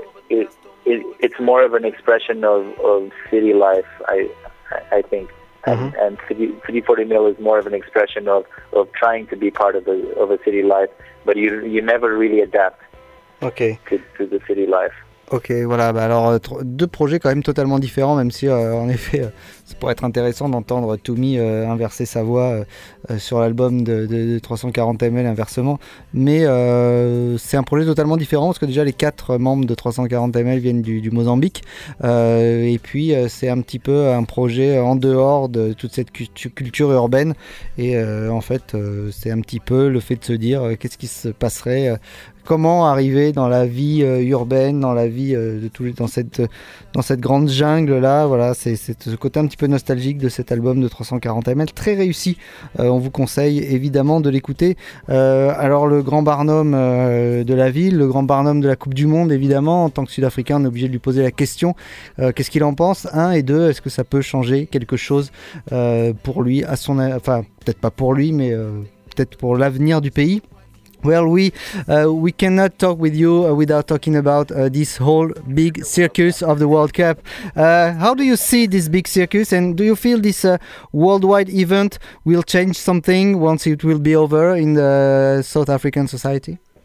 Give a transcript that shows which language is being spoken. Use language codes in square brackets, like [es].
[en] It's more of an expression of city life, I think, mm-hmm. and 340 mil is more of an expression of trying to be part of a city life, but you never really adapt. Okay. To the city life. [fr] Ok, voilà, bah alors deux projets quand même totalement différents, même si en effet ça pourrait être intéressant d'entendre Toumi inverser sa voix sur l'album de 340 ml inversement, mais c'est un projet totalement différent parce que déjà les quatre membres de 340 ml viennent du Mozambique, et puis c'est un petit peu un projet en dehors de toute cette culture urbaine, et en fait c'est un petit peu le fait de se dire qu'est-ce qui se passerait comment arriver dans la vie urbaine, dans la vie de tous les, dans cette grande jungle là. Voilà, c'est ce côté un petit peu nostalgique de cet album de 340 ml, très réussi. On vous conseille évidemment de l'écouter. Alors le grand Barnum de la ville, le grand Barnum de la Coupe du Monde, évidemment, en tant que Sud-Africain, on est obligé de lui poser la question. Qu'est-ce qu'il en pense ? Un et deux, est-ce que ça peut changer quelque chose pour lui, à son, enfin peut-être pas pour lui, mais peut-être pour l'avenir du pays. [en] Well, we cannot talk with you without talking about this whole big circus of the World Cup. How do you see this big circus, and do you feel this worldwide event will change something once it will be over in the South African society?